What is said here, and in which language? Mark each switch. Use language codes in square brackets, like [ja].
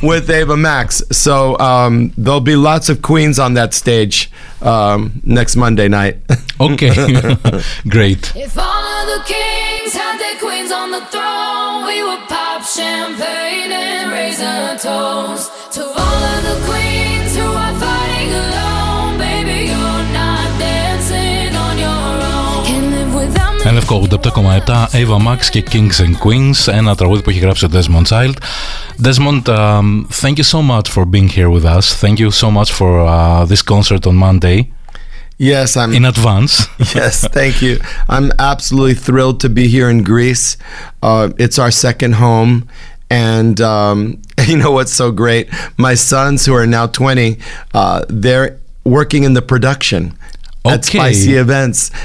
[en] With Ava Max. So there'll be lots of queens on that stage next Monday night. Okay. Great. If all of the kings had their queens on the throne, we would pop champagne and raise a toast to all of the queens who are fighting alone. Baby, you're not dancing on your own. Can live without. [el] Ένευκο 87,7, Ava Max και Kings and Queens, ένα τραγούδι που έχει γράψει ο Desmond Child. [en] Desmond, thank you so much for being here with us. Thank you so much for this concert on Monday. Yes, I'm in advance. Yes, thank you. I'm absolutely thrilled to be here in Greece. It's our second home. And you know what's so great? My sons, who are now 20, they're working in the production at Spicy Events.